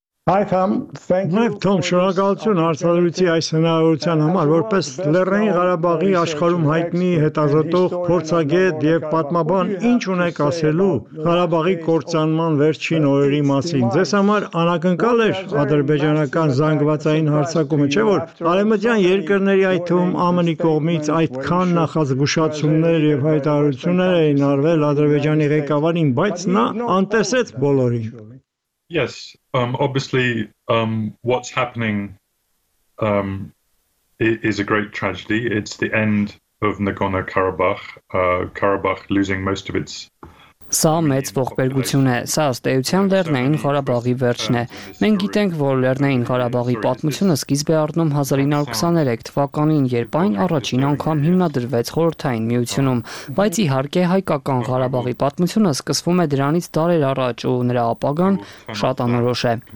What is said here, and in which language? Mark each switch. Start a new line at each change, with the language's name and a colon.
Armenian: Նաև Թոմ, շնորհակալություն հարցադրույցի այս հնարավորության համար, որպես Լեռնային Ղարաբաղի աշխարհում հայտնի հետազոտող փորձագետ և պատմաբան, ինչ ունեք ասելու Ղարաբաղի կործանման վերջին օրերի մասին։ Ձեզ համար անակնկալ էր ադրբեջանական զանգվածային հարձակումը, չէ՞ որ արևմտյան երկրների, այդ թվում ԱՄՆ-ի կողմից այդքան նախազգուշացումներ և հայտարարություններ էին արվել Ադրբեջանի ղեկավարին, բայց նա անտեսեց բոլորին։
English: Yes, obviously, what's happening is a great tragedy. It's the end of Nagorno-Karabakh, Karabakh losing most of its.
Armenian: Սա մեծ ողբերգություն է, սա ըստեյության Լեռնային Ղարաբաղի վերջն է։ Մենք գիտենք, որ Լեռնային Ղարաբաղի պատմությունը սկիզբ է առնում 1923 թվականին, երբ այն առաջին անգամ հիմնադրվեց Խորհրդային Միությունում, բայց իհարկե Հայկական Ղարաբաղի պատմությունը սկսվում է դրանից տարեր առաջ ու նրա ապագան շատ անորոշ է։